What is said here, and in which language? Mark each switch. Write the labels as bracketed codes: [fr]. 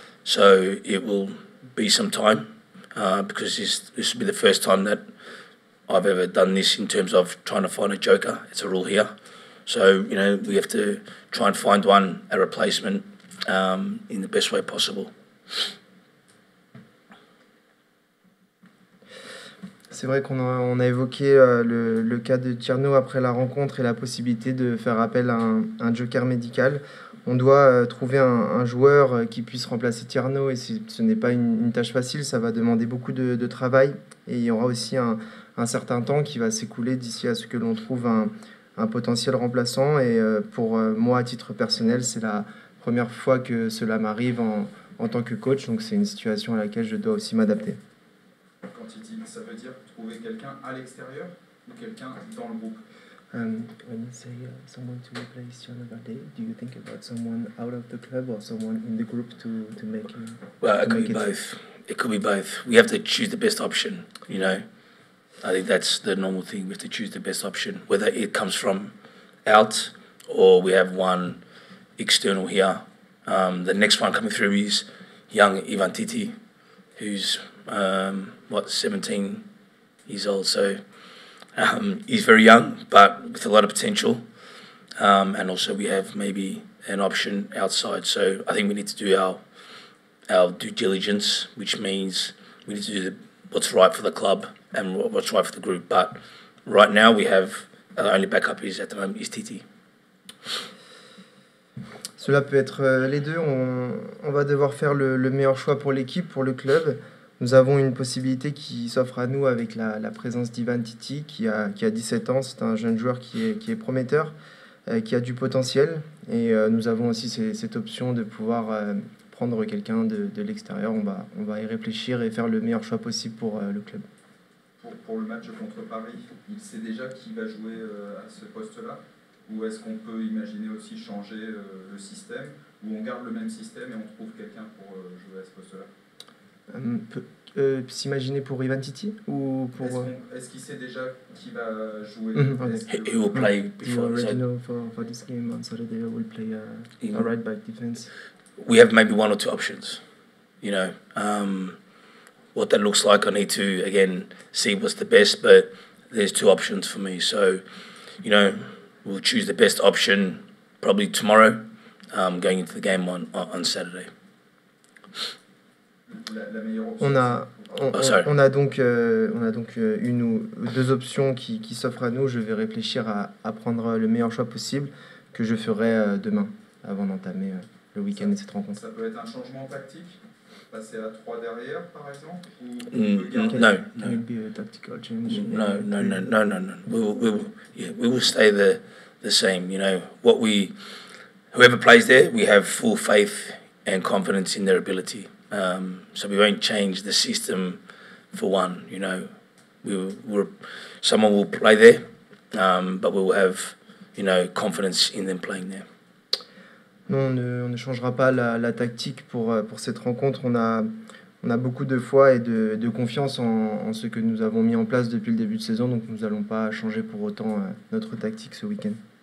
[en] So it will be some time, because this will be the first time that I've ever done this in terms of trying to find a joker. It's a rule here. So, you know, we have to try and find one, a replacement, in the best way possible. [fr] C'est vrai qu'on a évoqué le cas de Tierno après la rencontre et la possibilité de faire appel à un joker médical. On doit trouver un joueur qui puisse remplacer Tierno, et ce n'est pas une tâche facile, ça va demander beaucoup de travail, et il y aura aussi un certain temps qui va s'écouler d'ici à ce que l'on trouve un potentiel remplaçant. Et pour moi, à titre personnel, c'est la première fois que cela m'arrive en tant que coach, donc c'est une situation à laquelle je dois aussi m'adapter. Quand il dit, ça veut dire trouver quelqu'un à l'extérieur ou quelqu'un dans le groupe? [en] When you say someone to replace Tierno Balde, do you think about someone out of the club or someone in the group to make him? Well, it could be both. It could be both. We have to choose the best option, you know. I think that's the normal thing. We have to choose the best option, whether it comes from out or we have one external here. The next one coming through is young Ivan Titi, who's 17 years old. So he's very young, but with a lot of potential. And also we have maybe an option outside. So I think we need to do our due diligence, which means we need to do what's right for the club and what's right for the group. But right now we have, our only backup is at the moment is Titi. [fr] Cela peut être les deux. On va devoir faire le meilleur choix pour l'équipe, pour le club. Nous avons une possibilité qui s'offre à nous avec la présence d'Ivan Titi, qui a 17 ans. C'est un jeune joueur qui est prometteur, qui a du potentiel. Et nous avons aussi cette option de pouvoir prendre quelqu'un de l'extérieur. On va y réfléchir et faire le meilleur choix possible pour le club. Pour le match contre Paris, il sait déjà qui va jouer à ce poste-là? Ou est-ce qu'on peut imaginer aussi changer le système, ou on garde le même système et on trouve quelqu'un pour jouer à ce poste-là? S'imaginer pour Ivan Titi ou pour est-ce qu'il sait déjà qui va jouer? [en] He will play before. Do you already know for this game on Saturday will play a right back defense? We have maybe one or two options, you know. What that looks like, I need to again see what's the best. But there's two options for me, so you know. We'll choose the best option probably tomorrow, going into the game on Saturday. [fr] On a donc une ou deux options qui s'offrent à nous. Je vais réfléchir à prendre le meilleur choix possible, que je ferai demain avant d'entamer le week-end de cette rencontre. Ça peut être un changement tactique, passer à 3 derrière par exemple, ou [en] Can it be a tactical change? No. We will stay there. The same, you know, whoever plays there, we have full faith and confidence in their ability. So we won't change the system for one, you know. Someone will play there, but we will have, you know, confidence in them playing there. [fr] Non, on ne changera pas la tactique pour cette rencontre. On a beaucoup de foi et de confiance en ce que nous avons mis en place depuis le début de saison, donc nous n'allons pas changer pour autant notre tactique ce week-end.